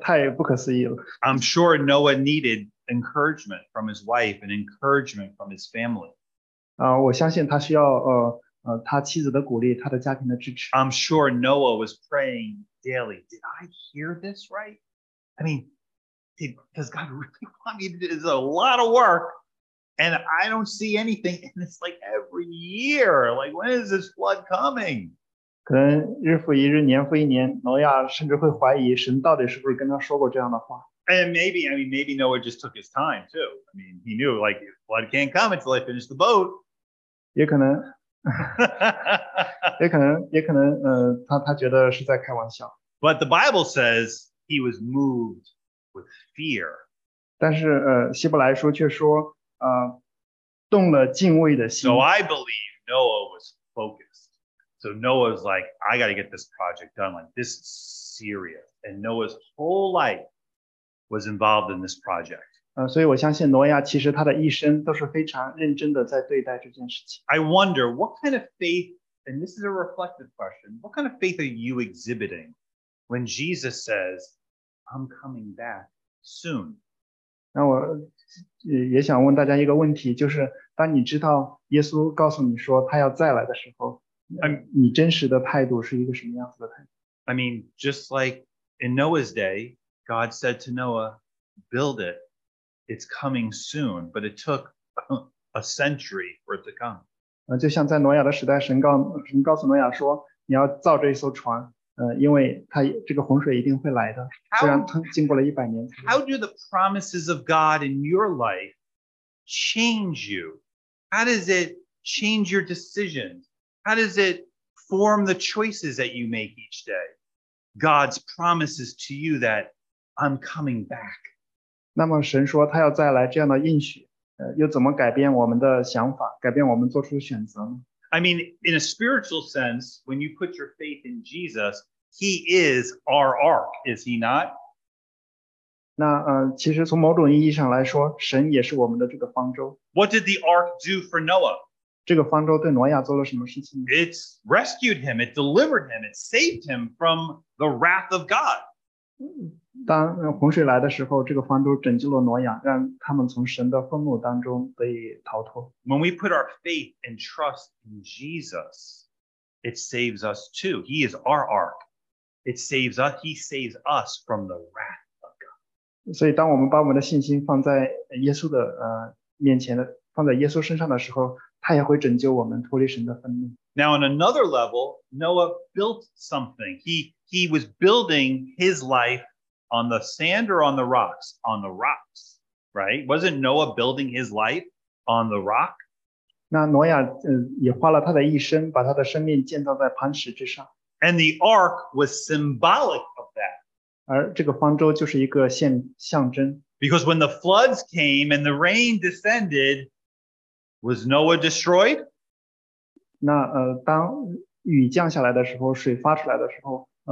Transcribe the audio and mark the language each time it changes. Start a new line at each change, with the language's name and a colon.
Chinese: 这是太不可思议了。
English: I'm sure Noah needed encouragement from his wife and encouragement from his family.
Chinese: 我相信他需要他妻子的鼓励，他的家庭的支持。
English: I'm sure Noah was praying daily. Did I hear this right? I mean, does God really want me to do this? It's a lot of work. And I don't see anything. And it's like every year. Like, when is this flood coming?
Chinese: 可能日复一日，年复一年，挪亚甚至会怀疑神到底是不是跟他说过这样的话。
English: And maybe Noah just took his time too. I mean, he knew like flood can't come until I finish the boat.
Chinese: 也可能，他觉得是在开玩笑。
English: But the Bible says he was moved with fear.
Chinese: 但是希伯来书却说动了敬畏的心。
English: So I believe Noah was focused. So Noah's like, I got to get this project done. Like this is serious, and Noah's whole life. Was involved in this project. So I believe Noah, actually, his whole life was very serious about this issue. I wonder what kind of faith, and this is a reflective question, what kind of faith are you exhibiting when Jesus says, "I'm coming back soon"? Then I also want to ask you a question, which is, when you know that Jesus told you that he will come back again, what kind of attitude are you exhibiting? I mean, just like in Noah's day. God said to Noah, build it. It's coming soon. But it took a century for it to come.
Chinese: 就像在挪亚的时代，神告诉挪亚说，你要造这一艘船，因为它这个洪水一定会来的，虽然经过了一百年。
English: How do the promises of God in your life change you? How does it change your decisions? How does it form the choices that you make each day? God's promises to you that. I'm coming back.
Chinese: 那么神说他要再来这样的应许，又怎么改变我们的想法，改变我们做出的选择呢？
English: I mean, in a spiritual sense, when you put your faith in Jesus, he is our ark, is he not?
Chinese: 那其实从某种意义上来说，神也是我们的这个方舟。
English: What did the ark do for Noah?
Chinese: 这个方舟对挪亚做了什么事情？
English: It rescued him, it delivered him, it saved him from the wrath of God.
Chinese: 当洪水来的时候，这个方舟拯救了挪亚，让他们从神的愤怒当中得以逃脱。
English: When we put our faith and trust in Jesus, it saves us too. He is our ark. It saves us. He saves us from the wrath of God.
Chinese: 所以，当我们把我们的信心放在耶稣的面前的，放在耶稣身上的时候，他也会拯救我们脱离神的愤怒。
English: Now, on another level, Noah built something. He was building his life. On the sand or on the rocks? On the rocks, right? Wasn't Noah building his life on the rock?
Chinese: 那挪亚也花了他的一生，把他的生命建造在磐石之上。
English: And the ark was symbolic of that.
Chinese: 而这个方舟就是一个象征。
English: Because when the floods came and the rain descended, was Noah destroyed?
Chinese: 那当雨降下来的时候，水发出来的时候。